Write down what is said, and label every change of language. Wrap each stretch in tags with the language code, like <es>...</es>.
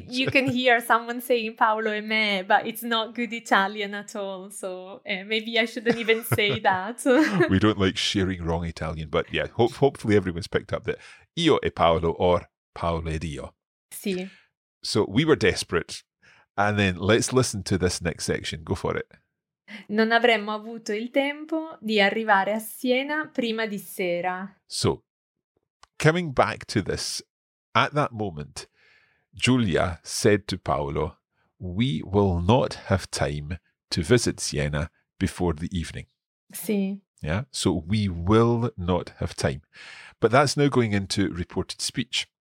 <en>Probably you can hear someone saying</en> <it>Paolo e me,</it> <en>but it's not good Italian at all. So maybe I shouldn't even say that. We don't like sharing wrong Italian, but yeah, hopefully everyone's picked up that</en> <it>io e Paolo</it> <en>or</en> <it>Paolo ed io. Sì.</it> <en>So we were desperate. And then let's listen to this next section. Go for it.</en> <it>Non avremmo avuto il tempo di arrivare a Siena prima di sera.</it> <en>So, coming back to this, at that moment, Giulia said to Paolo, "We will not have time to visit Siena before the evening."</en> <it>Sì.</it> <en>Yeah, so we will not have time. But that's now going into reported speech.</en>